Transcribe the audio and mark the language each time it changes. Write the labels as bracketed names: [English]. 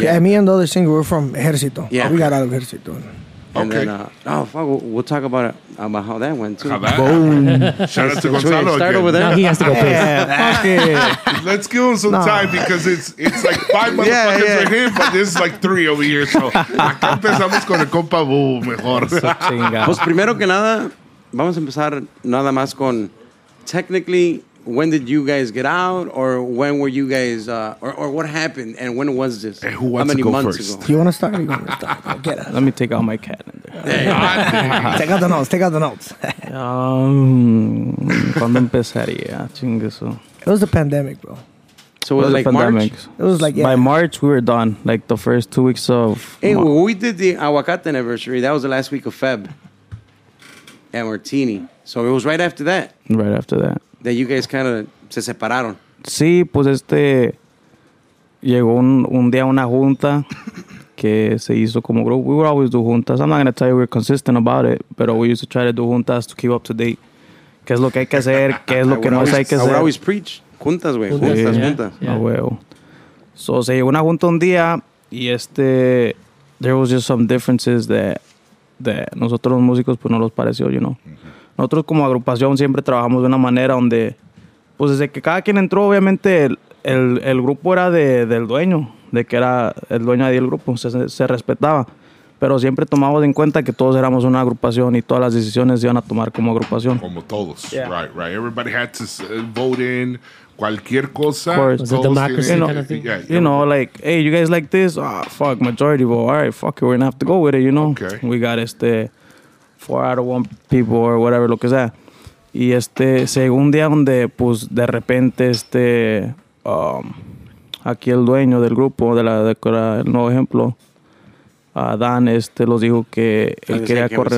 [English] Yeah, me and the other singer were from Ejercito. Yeah. Okay. We got out of Ejercito. And okay. Then, oh, fuck, we'll talk about how that went, too. Boom. Shout out to Gonzalo start again. Over there. Now he has to go piss. Yeah, fuck it. Let's give him some time because it's like five motherfuckers are here, but this is like three over here. [Spanish] So, acá empezamos con el compa Bubu mejor. Pues primero que nada, vamos a empezar nada más con, [English] technically, when did you guys get out or when were you guys, or what happened and when was this? Hey, who wants how many to go months first? Ago? Do you want to start or you want to start? Get us. Let me take out my calendar. Take out the notes. Take out the notes. [Spanish] ¿Cuándo empezaría? Chingueso. [English] It was the pandemic, bro. So it was like pandemic. March? It was like, yeah. By March, we were done. Like the first 2 weeks of... Hey, well, we did the aguacate anniversary. That was the last week of Feb. And we're teeny. So it was right after that. Right after that. That you guys kind of [Spanish] se separaron. Sí, pues este llegó un día una junta que se hizo como grupo. [English] We would always do juntas. I'm not going to tell you we're consistent about it, but we used to try to do juntas to keep up to date. [Spanish] ¿Qué es lo que hay que hacer? ¿Qué es lo que no [English] always, [Spanish] hay que hacer? [English] I would always preach juntas, güey. Juntas, yeah. Juntas. [Spanish] Yeah. Yeah. So se llegó una junta un día y este [English] there was just some differences that [Spanish] nosotros los músicos pues no los pareció, [English] you know. [Spanish] Mm-hmm. Nosotros como agrupación siempre trabajamos de una manera donde, pues desde que cada quien entró, obviamente el grupo era del dueño, de que era el dueño del grupo, se respetaba. Pero siempre tomamos en cuenta que todos éramos una agrupación y todas las decisiones se iban a tomar como agrupación. Como todos, [English] yeah. Right, right. Everybody had to vote in [Spanish] cualquier cosa. [English] Of course, the democracy kind of thing. Yeah, you know, like, hey, you guys like this? Ah, fuck, majority vote. All right, fuck it, we're gonna have to go with it, you know. Okay. We got este... 4 out of 1 people or whatever, [Spanish] lo que sea. Y este, según día donde, pues, de repente, este, aquí el dueño del grupo, del nuevo ejemplo, Dan, este, los dijo que él quería correr.